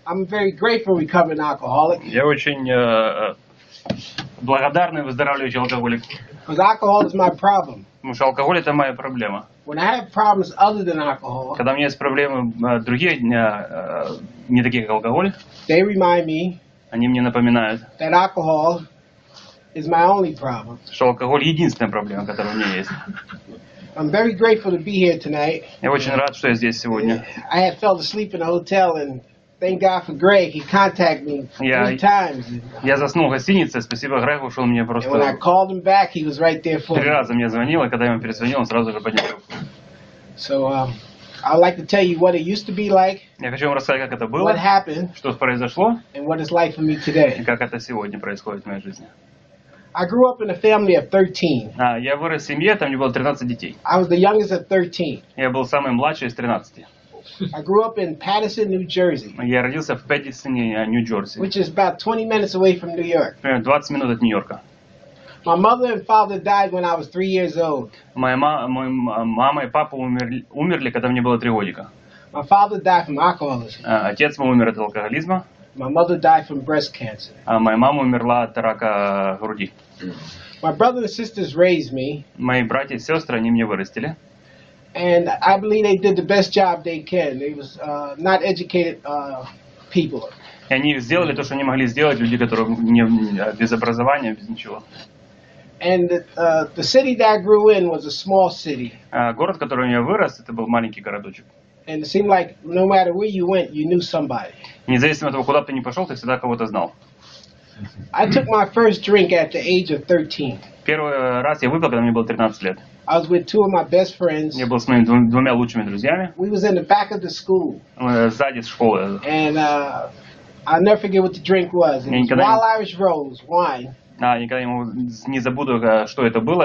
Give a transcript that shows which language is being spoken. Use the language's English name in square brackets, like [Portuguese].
[English] I'm very grateful recovering alcoholic. [Russian] Я очень благодарный выздоравливающий алкоголик. [English] Because alcohol is my problem. [Russian] Потому что алкоголь это моя проблема. [English] When I have problems other than alcohol. [Russian] Когда у меня есть проблемы другие дня, не такие как алкоголь. [English] They remind me. [Russian] Они мне напоминают. [English] That alcohol is my only problem. [Russian] Что алкоголь единственная проблема, которая у меня есть. [English] I'm very grateful to be here tonight. [Russian] Я очень рад, что я здесь сегодня. [English] I had fell asleep in a hotel, and thank God for Greg. He contacted me three times. [Russian] Я заснул в гостинице. Спасибо Грегу, что он мне просто. [English] And when I called him back, he was right there for me. [Russian] Три раза мне звонил, и когда я ему перезвонил, он сразу же поднял. [English] So I'd like to tell you what it used to be like. [Russian] Я хочу вам рассказать, как это было. [English] What happened? [Russian] Что произошло? [English] And what it's like for me today. [Russian] И как это сегодня происходит в моей жизни? [English] I grew up in a family of 13. [Russian] Я вырос в семье, там мне было 13 детей. [English] I was the youngest of 13. [Russian] Я был самый младший из 13. [English] I grew up in Paterson, New Jersey. [Russian] Я родился в Паттерсоне, Нью-Джерси. [English] Which is about 20 minutes away from New York. [Russian] 20 минут от Нью-Йорка. [English] My mother and father died when I was 3 years old. [Russian] Мой мама и папа умерли, когда мне было 3 годика. [English] My father died from alcoholism. [Russian] Отец мой умер от алкоголизма. [English] My mother died from breast cancer. [Russian] Моя мама умерла от рака груди. [English] My brother and sisters raised me. [Russian] Мои братья и сестры, они меня вырастили. [English] And I believe they did the best job they can. They was not educated people. [Russian] И они сделали то, что они могли сделать, люди, которые не без образования, без ничего. [English] And the city that I grew in was a small city. [Russian] Город, в котором я вырос, это был маленький городочек. [English] And it seemed like no matter where you went, you knew somebody. [Russian] Независимо от того, куда ты не пошел, ты всегда кого-то знал. [English] I took my first drink at the age of 13. [Russian] Первый раз я выпил, когда мне было 13 лет. [English] I was with two of my best friends. [Russian] Я был с моими двумя лучшими друзьями. [English] We was in the back of the school. [Russian] Сзади школы. [English] And I'll never forget what the drink was. It was Wild Irish Rose wine. [Russian] Я никогда не забуду, что это было.